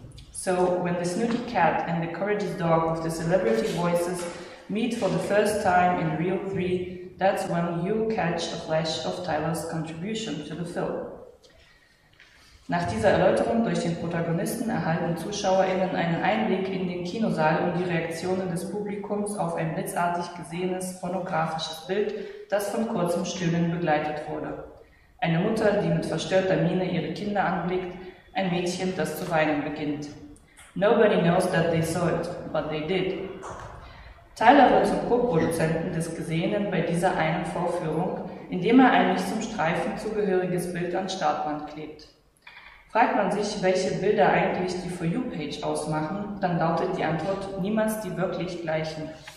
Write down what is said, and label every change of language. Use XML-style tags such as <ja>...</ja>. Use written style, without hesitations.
<en>So, when the snooty cat and the courageous dog with the celebrity voices meet for the first time in Reel 3, that's when you catch a flash of Tyler's contribution to the film.</en> <de>Nach dieser Erläuterung durch den Protagonisten erhalten ZuschauerInnen einen Einblick in den Kinosaal und die Reaktionen des Publikums auf ein blitzartig gesehenes pornografisches Bild, das von kurzem Stöhnen begleitet wurde. Eine Mutter, die mit verstörter Miene ihre Kinder anblickt, ein Mädchen, das zu weinen beginnt.</de> <en>Nobody knows that they saw it, but they did.</en> <de>Tyler wird zum Co-Produzenten des Gesehenen bei dieser einen Vorführung, indem er ein nicht zum Streifen zugehöriges Bild an Startband klebt. Fragt man sich, welche Bilder eigentlich die For You-Page ausmachen, dann lautet die Antwort: niemals die wirklich gleichen.</de>